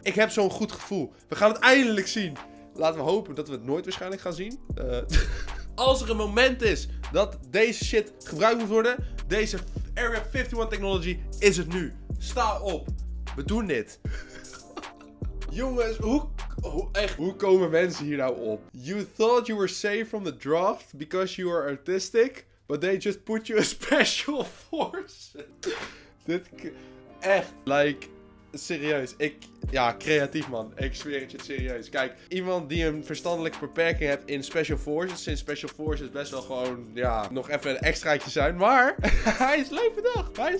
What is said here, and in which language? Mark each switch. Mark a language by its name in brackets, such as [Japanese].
[Dutch] Ik heb zo'n goed gevoel. We gaan het eindelijk zien. Laten we hopen dat we het nooit waarschijnlijk gaan zien. Als er een moment is dat deze shit gebruikt moet worden, deze Area 51 technology is het nu. Sta op. We doen dit. Jongens, hoe komen mensen hier nou op? [English] You thought you were safe from the draft because you are artistic, but they just put you a special force. [Dutch] Dit, echt, like, serieus, ik, ja, creatief man, ik zweer het je serieus. Kijk, iemand die een verstandelijke beperking heeft in special forces, sinds special forces best wel gewoon, ja, nog even een extraatje zijn, maar hij is leuk bedacht.